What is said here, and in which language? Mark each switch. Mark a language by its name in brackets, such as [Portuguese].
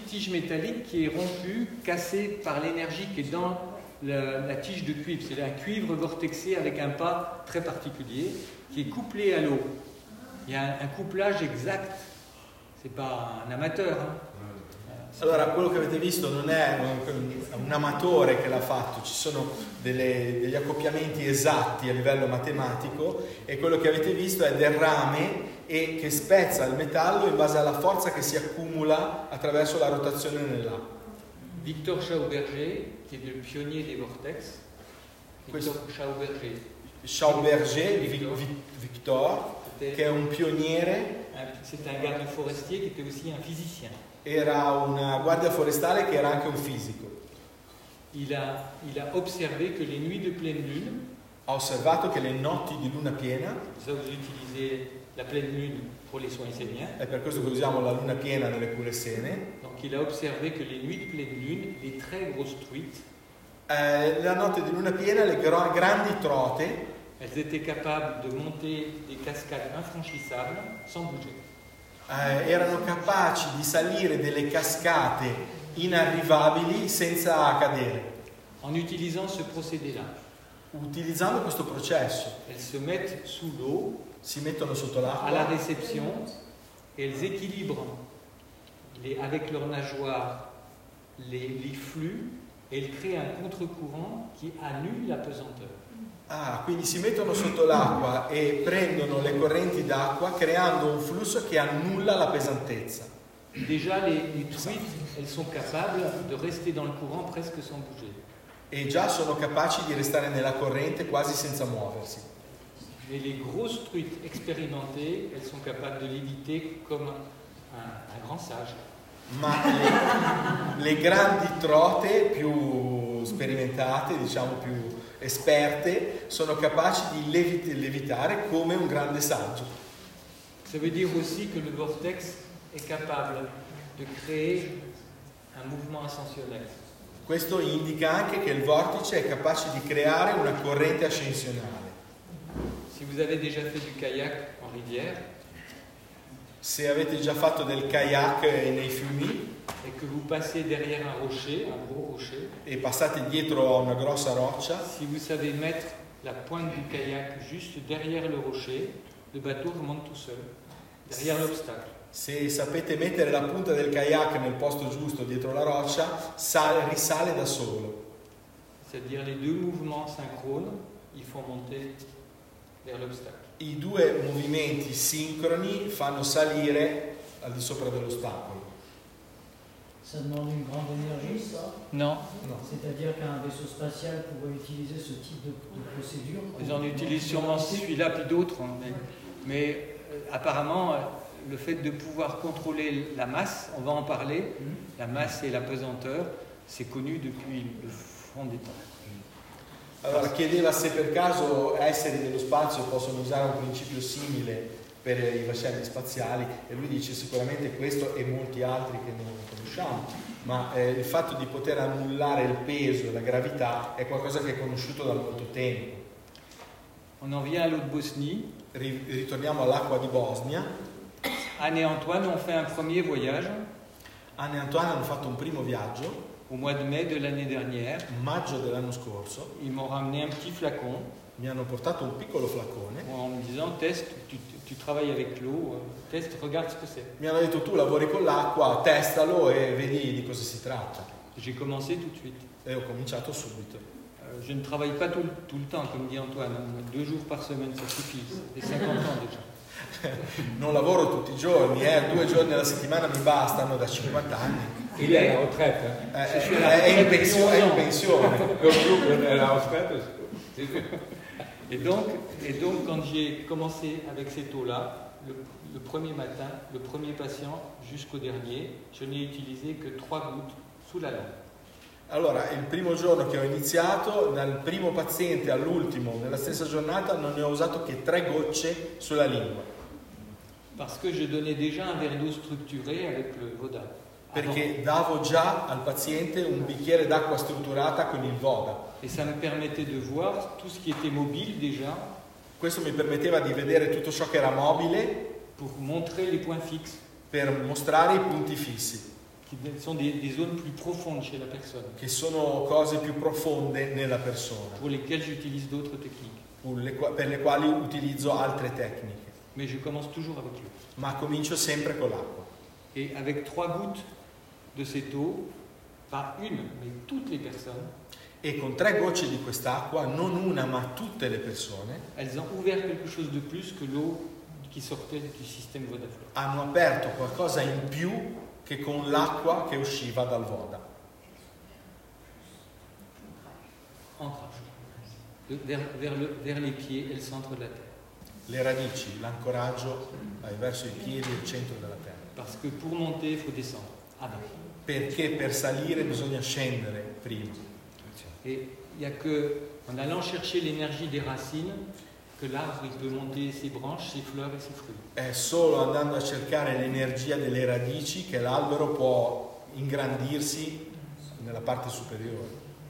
[French] Métallique qui est rompu, cassé par l'énergie qui est dans la tige de cuivre. C'est un cuivre vortexé avec un pas très particulier qui est couplé à l'eau. Il y a un couplage exact. C'est pas un amateur. Hein. [Italian] Allora, quello che avete visto non è un amatore che l'ha fatto, ci sono degli accoppiamenti esatti a livello matematico e quello che avete visto è del rame e che spezza il metallo in base alla forza che si accumula attraverso la rotazione nell'acqua. Victor Schauberger, che è il pionier dei vortex. Schauberger. Schauberger, Victor, che è un pioniere. [French] C'est un garde forestier qui était aussi un physicien. [Italian] Era una guardia forestale che era anche un fisico. [French] Il a observé que les nuits de pleine lune, [Italian] ha osservato che le notti di luna piena, [French] la pleine lune pour les soins esséniens, [Italian] è per questo che usiamo la luna piena nelle cure essene. [French] Donc il a observé que les nuits de pleine lune, les très grosses truites, [Italian] la notte di luna piena, le grandi trote, [French] elles étaient capables de monter des cascades infranchissables sans bouger. [Italian] Erano capaci di salire delle cascate inarrivabili senza cadere. [French] En utilisant ce procédé-là. [Italian] Utilizzando questo processo. [French] Elles se mettent sous l'eau. [Italian] Si mettono sotto l'acqua. [French] À la réception, et elles équilibrent avec leurs nageoires les flux et elles créent un contre-courant qui annule la pesanteur. [Italian] Ah, quindi si mettono sotto l'acqua e prendono le correnti d'acqua creando un flusso che annulla la pesantezza. [French] Déjà les truites, elles sont capables de rester dans le courant presque sans bouger. [Italian] E già sono capaci di restare nella corrente quasi senza muoversi. [French] Mais les grosses truites expérimentées, elles sont capables de l'éviter comme un grand sage. [Italian] Ma le grandi trote più sperimentate, diciamo più esperte, sono capaci di levitare come un grande saggio. [French] Ça veut dire aussi que le vortex est capable de créer un mouvement ascensionnel. [Italian] Questo indica anche che il vortice è capace di creare una corrente ascensionale. [French] Si vous avez déjà fait du kayak en rivière, [Italian] se avete già fatto del kayak nei fiumi, [French] et que vous passez derrière un rocher, un gros rocher, [Italian] e passate dietro a una grossa roccia, [French] si vous savez mettre la pointe du kayak juste derrière le rocher, le bateau remonte tout seul, derrière l'obstacle. [Italian] Se sapete mettere la punta del kayak nel posto giusto dietro la roccia, risale da solo. [French] C'est-à-dire les deux mouvements synchrones, ils font monter vers l'obstacle. [Italian] I due movimenti sincroni fanno salire al di sopra dell'ostacolo. [French] Ça demande une grande énergie, ça? Non. C'est-à-dire qu'un vaisseau spatial pourrait utiliser ce type de procédure? Ils en utilisent sûrement celui-là puis d'autres. Mais, ouais. Mais apparemment, le fait de pouvoir contrôler la masse, on va en parler, la masse et la pesanteur, c'est connu depuis le fond des temps. [Italian] Alors, chiedeva se per caso esseri dello spazio possono usare un principio simile per i vascelli spaziali, e lui dice sicuramente questo e molti altri che non conosciamo, ma il fatto di poter annullare il peso e la gravità è qualcosa che è conosciuto da molto tempo. [French] On en vient à l'eau de Bosnie. [Italian] Ritorniamo all'acqua di Bosnia. [French] Anne et Antoine ont fait un premier voyage. [Italian] Anne et Antoine hanno fatto un primo viaggio. [French] Au mois de mai de l'année dernière. [Italian] Maggio dell'anno scorso. [French] Ils m'ont ramené un petit flacon. [Italian] Mi hanno portato un piccolo flacone. [French] En me disant, test, tu travailles avec l'eau, test, regarde ce que c'est. [Italian] Mi hanno detto, tu lavori con l'acqua, testalo e vedi di cosa si tratta. [French] J'ai commencé tout de suite. [Italian] E ho cominciato subito. [French] Je ne travaille pas tout le temps, comme dit Antoine. Deux jours par semaine, ça suffit. Et 50 ans déjà. [Italian] Non lavoro tutti i giorni, due giorni alla settimana mi bastano da 50 anni. [French] Il è in retraite. [Italian] È in pensione. [French] Et donc quand j'ai commencé avec cette eau-là, le premier matin, le premier patient jusqu'au dernier, je n'ai utilisé que 3 gouttes sous la lampe. [Italian] Allora, il primo giorno che ho iniziato, dal primo paziente all'ultimo, nella stessa giornata, non ne ho usato che 3 gocce sulla lingua. [French] Parce que je donnais déjà un verre d'eau structuré avec le Voda. [Italian] Perché davo già al paziente un bicchiere d'acqua strutturata con il Voda. [French] Et ça me permettait de voir tout ce qui était mobile déjà. [Italian] Questo mi permetteva di vedere tutto ciò che era mobile. [French] Pour montrer les points fixes. [Italian] Per mostrare i punti fissi. [French] Qui sont des zones plus profondes chez la personne. [Italian] Che sono cose più profonde nella persona. [French] Pour lesquelles j'utilise d'autres techniques. [Italian] Per le quali utilizzo altre tecniche. [French] Mais je commence toujours avec l'eau. [Italian] Ma comincio sempre con l'acqua. [French] Et avec 3 gouttes de cette eau, pas une, mais toutes les personnes. [Italian] E con 3 gocce di quest'acqua, non una ma tutte le persone. [French] Elles ont ouvert quelque chose de plus que l'eau qui sortait du système Vodaflow. [Italian] Hanno aperto qualcosa in più che con l'acqua che usciva dal Voda. [French] Ancrage. Vers les pieds et le centre de la terre. [Italian] Le radici, l'ancoraggio verso i piedi e il centro della terra. [French] Parce que pour monter, faut descendre. Ah, ben. [Italian] Perché per salire bisogna scendere prima. [French] Et il y a que en allant chercher l'énergie des racines que l'arbre peut monter ses branches, ses fleurs et ses fruits. [Italian] È solo andando a cercare l'energia delle radici che l'albero può ingrandirsi nella parte superiore.